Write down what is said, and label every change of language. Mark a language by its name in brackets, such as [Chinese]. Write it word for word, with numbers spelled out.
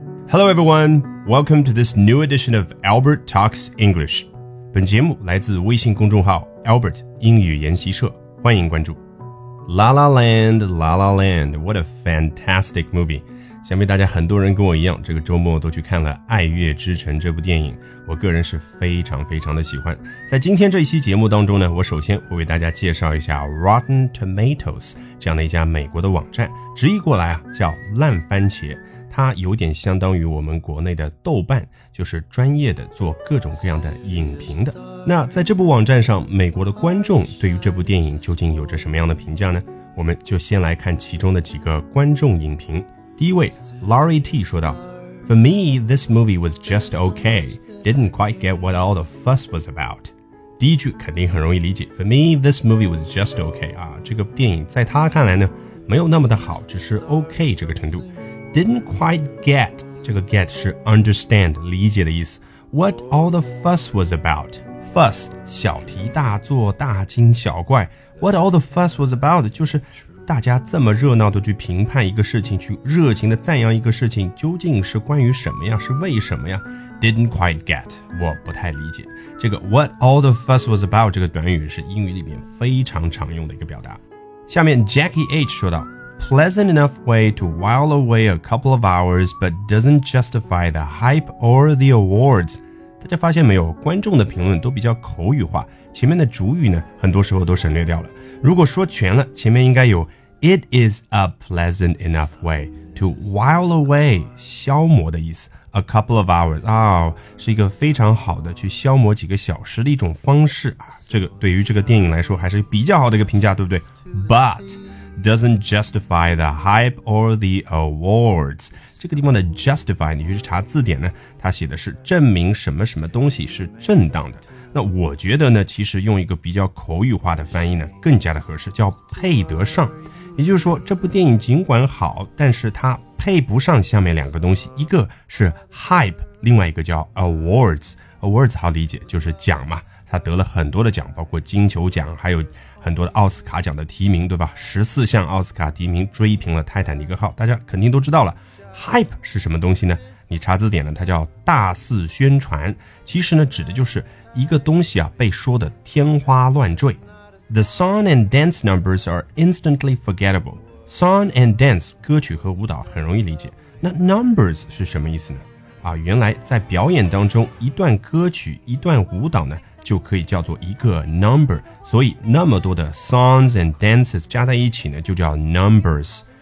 [English] Hello everyone, welcome to this new edition of Albert Talks English. [Chinese] 本节目来自微信公众号 Albert 英语研习社，欢迎关注。 [English] La La Land, La La Land, what a fantastic movie. [Chinese] 想必大家很多人跟我一样，这个周末都去看了《爱乐之城》这部电影，我个人是非常非常的喜欢。在今天这一期节目当中呢，我首先会为大家介绍一下 Rotten Tomatoes 这样的一家美国的网站，直译过来啊叫烂番茄。它有点相当于我们国内的豆瓣，就是专业的做各种各样的影评的。那在这部网站上，美国的观众对于这部电影究竟有着什么样的评价呢？我们就先来看其中的几个观众影评。第一位 [English] Larry T [Chinese] 说道 [English] For me, this movie was just okay. Didn't quite get what all the fuss was about. [Chinese] 第一句肯定很容易理解 [English] For me, this movie was just okay. [Chinese] 啊，这个电影在他看来呢，没有那么的好，只是 OK 这个程度。 [English] Didn't quite get [Chinese] 这个 get 是 understand 理解的意思 [English] What all the fuss was about [Chinese] Fuss 小题大做大惊小怪 What all the fuss was about 就是大家这么热闹的去评判一个事情，去热情的赞扬一个事情，究竟是关于什么呀？是为什么呀 ？ [English] Didn't quite get， [Chinese] 我不太理解。这个 [English] What all the fuss was about [Chinese] 这个短语是英语里面非常常用的一个表达。下面 [English] Jackie H [Chinese] 说道 [English] Pleasant enough way to while away a couple of hours, but doesn't justify the hype or the awards. [Chinese] 大家发现没有，观众的评论都比较口语化，前面的主语呢，很多时候都省略掉了。如果说全了，前面应该有 [English] It is a pleasant enough way to while away [Chinese] 消磨的意思 [English] A couple of hours [Chinese] 啊、哦，是一个非常好的去消磨几个小时的一种方式啊。这个对于这个电影来说还是比较好的一个评价，对不对 [English] But... Doesn't justify the hype or the awards. [Chinese] 这个地方的 justify 你去查字典呢，它写的是证明什么什么东西是正当的。那我觉得呢，其实用一个比较口语化的翻译呢，更加的合适，叫配得上。也就是说，这部电影尽管好，但是它配不上下面两个东西，一个是 hype， 另外一个叫 awards。 awards 好理解，就是奖嘛。他得了很多的奖，包括金球奖，还有很多的奥斯卡奖的提名，对吧？十四项奥斯卡提名追平了泰坦尼克号，大家肯定都知道了。 Hype 是什么东西呢？你查字典呢，它叫大肆宣传。其实呢，指的就是一个东西啊被说的天花乱坠。 [English] The song and dance numbers are instantly forgettable. [Chinese] Song and dance 歌曲和舞蹈很容易理解。那 numbers 是什么意思呢？啊，原来在表演当中，一段歌曲，一段舞蹈呢。就可以叫做一个 number， 所以那么多的 songs and dances 加在一起呢，就叫 numbers。